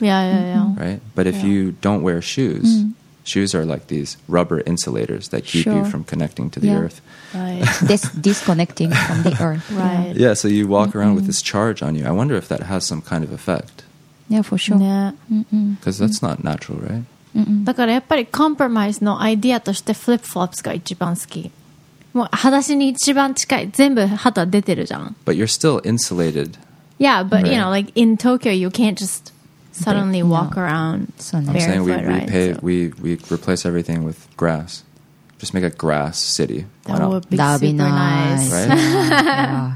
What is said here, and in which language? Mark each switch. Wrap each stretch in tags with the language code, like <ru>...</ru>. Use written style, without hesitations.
<en>Yeah. Right? But if you don't wear shoes, shoes are like these rubber insulators that keep you from connecting to the earth. Right. Disconnecting from the earth. Right. Yeah, so you walk around with this charge on you. I wonder if that has some kind of effect. Yeah, for sure. Yeah. Because that's not natural, right?</en> <ja>だからやっぱりコンプライズのアイデアとしてフリップフロップスが一番好き。もう裸足に一番近い。全部肌出てるじゃん。</ja> <en>But you're still insulated. Yeah, but you know, like in Tokyo, you can't just suddenly walk around barefoot, I'm saying we replace everything with grass. Just make a grass city. That would be super nice. Right? Yeah.</en>